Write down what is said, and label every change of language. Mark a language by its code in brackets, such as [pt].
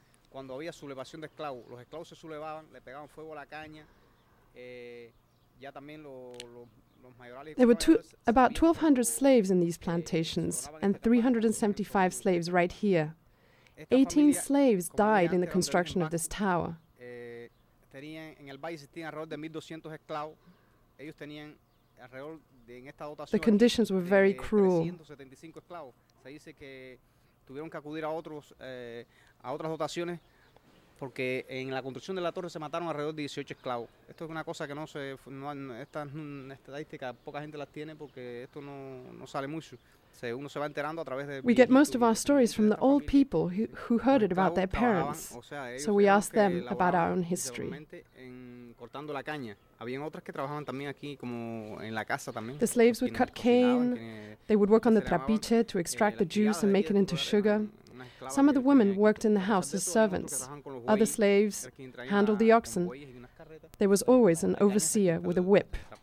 [es] Cuando había sublevación de esclavos, los esclavos se sublevaban, le pegaban fuego a la caña. Ya también los mayorales. [en] There were about 1,200 slaves in these plantations, and 375 slaves right here. 18 slaves died in the construction of this tower. [es] En el valle existían alrededor de 1,200 esclavos. Ellos tenían alrededor de en esta dotación. [en] The conditions were very cruel. [es] 375 esclavos. Se dice que tuvieron que acudir a otros. A otras dotaciones, porque en la construcción de la torre se mataron alrededor de 18 esclavos. Esto es una cosa que esta estadística poca gente las tiene porque esto no sale mucho. Uno se va enterando a través de. [en] We get most of our stories from the old people who heard it about their parents. So we ask them about our own history. [es] Cortando la caña. Habían otras que trabajaban también aquí como en la casa también. [en] The slaves would cut cane. They would work on the trapiche to extract the juice and make it into sugar. Some of the women worked in the house as servants. Other slaves handled the oxen. There was always an overseer with a whip.